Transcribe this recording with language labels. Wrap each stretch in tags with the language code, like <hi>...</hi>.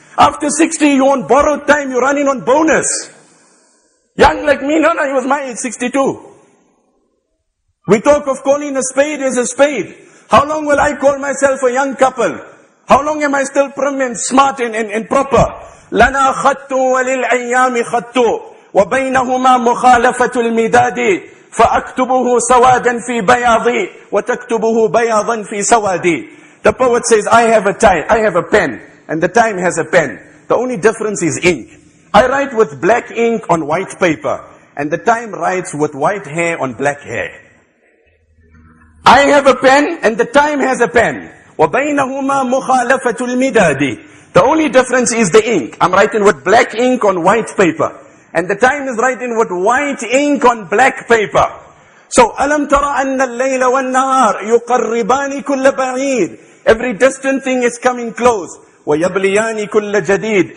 <en>After 60, you want borrowed time, you're running on bonus. Young like me, no, he was my age, 62. We talk of calling a spade as a spade. How long will I call myself a young couple? How long am I still prim and smart and proper?</en> <ar>لنا خط ولل أيام خط وبينهما مخالفة الميداد فأكتبه سوادا في بياضي وتكتبه بياضا في سوادي.</ar> <en>The poet says, "I have a time, I have a pen, and the time has a pen. The only difference is ink. I write with black ink on white paper, and the time writes with white hair on black hair. I have a pen, and the time has a pen.</en> <ar>وبينهما مخالفة الميداد."</ar> <en>The only difference is the ink. I'm writing with black ink on white paper. And the time is writing with white ink on black paper.</en> <ar>So, أَلَمْ تَرَ أَنَّ اللَّيْلَ وَالنَّهَارِ يُقَرِّبَانِ كُلَّ بَعِيدٍ.</ar> <en>Every distant thing is coming close.</en> <ar>وَيَبْلِيَانِ كُلَّ جَدِيدٍ.</ar>